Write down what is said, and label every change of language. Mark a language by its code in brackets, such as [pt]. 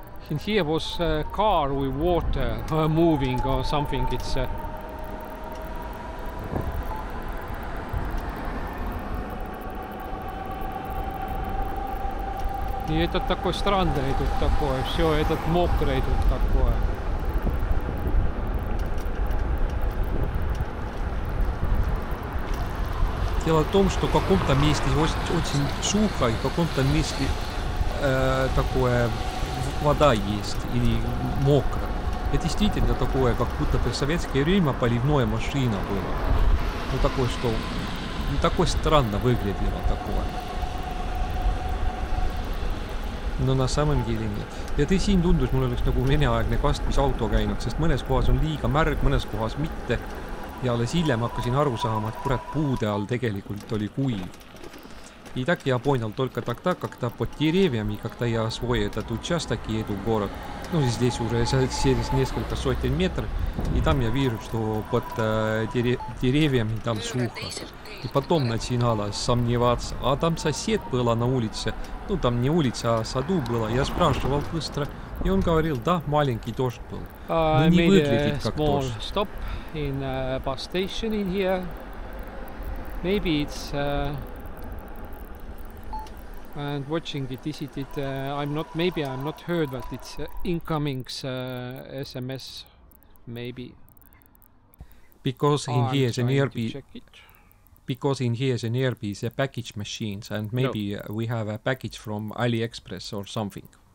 [en] And here was a car with water moving or something. [ru] It's и это такой странный тут такое, все этот мокрый тут такое. Дело в том, что в каком-то месте очень сухо, и в каком-то месте такое. Вода есть или мокро. Это действительно такое, как будто при советское время поливная машина была. Ну такое, что ну, такое странно выглядело такое. Но на самом деле нет. [et] Ja siin tundus mulle üks nagu meneaegne kastmisauto käinud, sest mõnes kohas on liiga märg, mõnes kohas mitte. Ja alles hiljem hakkasin aru saama, et kurat puude all tegelikult oli kuiv. [ru] И так я понял только тогда, когда под деревьями, когда я освоил этот участок и эту город, ну здесь уже через несколько сотен метров, и там я вижу, что под деревьями там сухо. И потом начинало сомневаться, а там сосед была на улице, ну там не улица, а саду было, я спрашивал быстро, и он говорил, да, маленький дождь был, но не выглядит как дождь. [en] Stop in a bus station in here. Maybe it's, and watching it, is it, it I'm not, maybe I'm not heard, but it's incoming SMS, maybe. Because in here is an Airbnb is a package machines, and maybe we have a package from AliExpress or something.